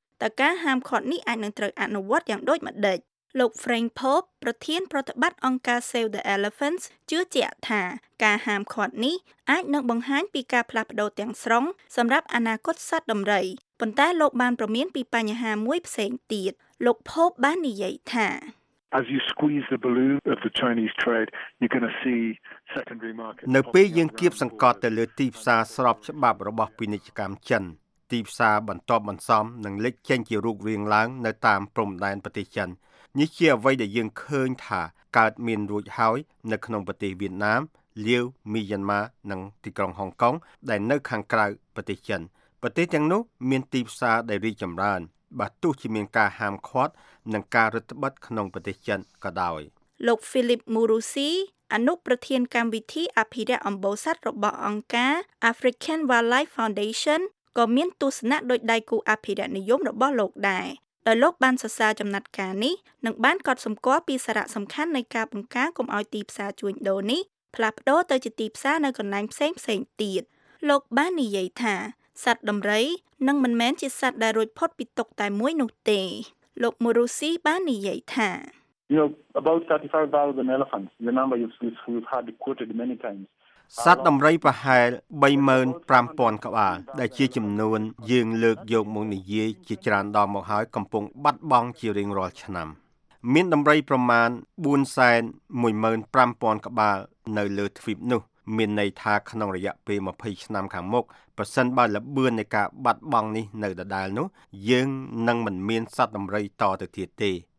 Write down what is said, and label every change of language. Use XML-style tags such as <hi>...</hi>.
<km>តើការហាមឃាត់នេះអាចនឹងត្រូវអនុវត្តយ៉ាងដូចម្តេចលោក Frank Pope ប្រធានប្រតិបត្តិអង្គការ Save the Elephants ជឿជាក់ថាការហាមឃាត់នេះអាចនឹងបង្ហាញពីការផ្លាស់ប្ដូរទាំងស្រុងសម្រាប់អនាគតសត្វដំរីប៉ុន្តែលោកបានប្រមានពីបញ្ហាមួយផ្សេងទៀតលោក Pope បាននិយាយថា</km> <en>As you squeeze the balloon of the Chinese trade, you're going to see secondary market.</en> <km>នៅពេលយើងគៀបសង្កត់ទៅលើទីផ្សារស្របច្បាប់របស់ពាណិជ្ជកម្មចិនទីផ្សារបន្តបន្សំនឹងលេចចេញជារូបរាងឡើងនៅតាមព្រំដែនប្រទេសចិននេះជាអ្វីដែលយើងឃើញថាកើតមានរួចហើយនៅក្នុងប្រទេសវៀតណាមលាវមីយ៉ាន់ម៉ានិងទីក្រុងហុងកុងដែលនៅខាងក្រៅប្រទេសចិនប្រទេសទាំងនោះមានទីផ្សារដែលរីកចម្រើនបាទទោះជាមានការហាមឃាត់នឹងការរដ្ឋបတ်ក្នុងប្រទេសចិនក៏ដោយ លោក Philip Murusi អនុប្រធានកម្មវិធីអភិរក្សអំបូរសត្វរបស់អង្គការ African Wildlife Foundation ក៏មានទស្សនៈដូចដៃគូអភិរក្សនិយមរបស់លោកដែរដោយលោកបានសរសើរចំណាត់ការនេះនិងបានកត់សម្គាល់ពីសារៈសំខាន់នៃការបង្ការកុំឲ្យទីផ្សារជួញដូរនេះផ្លាស់ប្ដូរទៅជាទីផ្សារនៅកន្លែងផ្សេងៗទៀតលោកបាននិយាយថាសត្វដំរីនឹងមិនមែនជាសត្វដែលរួចផុតពីទុក្ខតែមួយនោះទេលោកមូរូស៊ីបាននិយាយថា</km> <en>You know about 35,000 elephants the number you've had quoted many times</en> <km>សត្វដំរីប្រហែល 35,000 ក្បាលដែលជាចំនួនយើងលើកយកមកនិយាយជាច្រើនដងមកហើយកំពុងបាត់បង់ជារៀងរាល់ឆ្នាំមានដំរីប្រមាណ 415,000 ក្បាលនៅលើទ្វីបនោះមានន័យថាក្នុងរយៈពេល20ឆ្នាំខាងមុខប្រសិនបើល្បឿននៃការបាត់បង់នេះនៅដដែលនោះយើងនឹងមិនមានសត្វដំរីតទៅទៀតទេ</km>